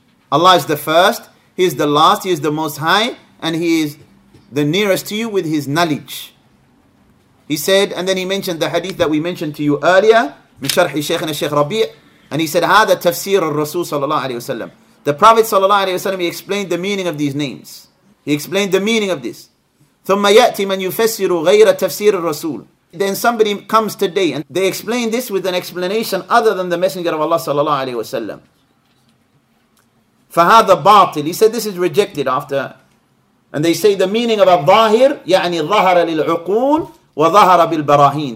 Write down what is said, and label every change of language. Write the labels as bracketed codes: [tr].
[en] Allah is the first, He is the last, He is the most high, and He is the nearest to you with His knowledge. He said, and then He mentioned the hadith that we mentioned to you earlier, [ar] من شرح شيخنا الشيخ ربيع, [en] and he said, [ar] هذا تفسير الرسول صلى الله عليه وسلم. [en] The Prophet صلى الله عليه وسلم, he explained the meaning of these names. He explained the meaning of this. [ar] ثم يأتي من يفسر غير تفسير الرسول. [en] Then somebody comes today and they explain this with an explanation other than the Messenger of Allah صلى الله عليه وسلم. [ar] فهذا باطل. [en] He said, this is rejected after. And they say the meaning of الظاهر [ar] يعني ظهر للعقول وظهر بالبراهين.